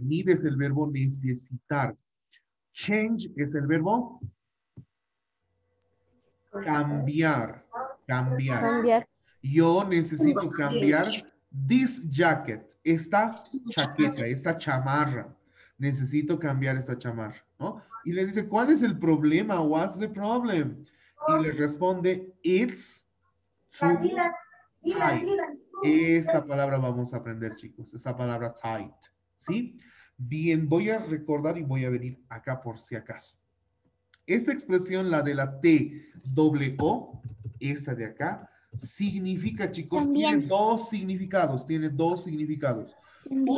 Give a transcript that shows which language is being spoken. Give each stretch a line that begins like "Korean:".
Spanish: Need es el verbo necesitar. Change es el verbo cambiar. Cambiar. Yo necesito cambiar
English: this jacket,
Spanish: esta chaqueta, esta chamarra. Necesito cambiar esta chamarra, ¿no? Y le dice, ¿cuál es el problema?
English: What's the problem?
Spanish: Y le responde,
English: it's too tight.
Spanish: Esta palabra vamos a aprender, chicos. Esta palabra tight, ¿sí? Bien, voy a recordar y voy a venir acá por si acaso. Esta expresión, la de la T, doble O, esta de acá, significa, chicos, también. tiene dos significados. También.